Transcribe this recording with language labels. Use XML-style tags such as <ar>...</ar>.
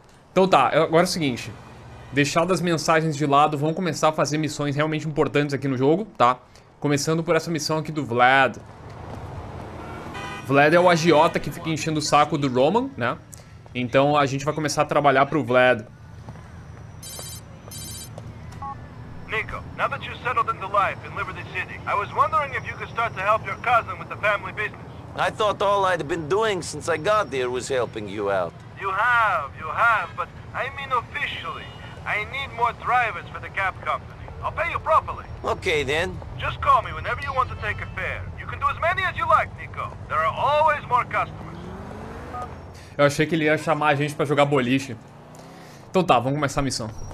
<pt>Então tá, agora é o seguinte. Deixado as mensagens de lado, vamos começar a fazer missões realmente importantes aqui no jogo, tá? Começando por essa missão aqui do Vlad. Vlad é o agiota que fica enchendo o saco do Roman, né? Então a gente vai começar a trabalhar pro Vlad.</pt> <en>Nico, now that you've settled into life in Liberty City, I was wondering if you could start to help your cousin with the family business. I thought all I'd been doing since I got here was helping you out. You have, but I mean officially. I need more drivers for the cab company. I'll pay you properly. Okay, then. Just call me whenever you want to take a fare. You can do as many as you like, Nico. There are always more customers.</en> <pt>Eu achei que ele ia chamar a gente pra jogar boliche. Então tá, vamos começar a missão.</pt>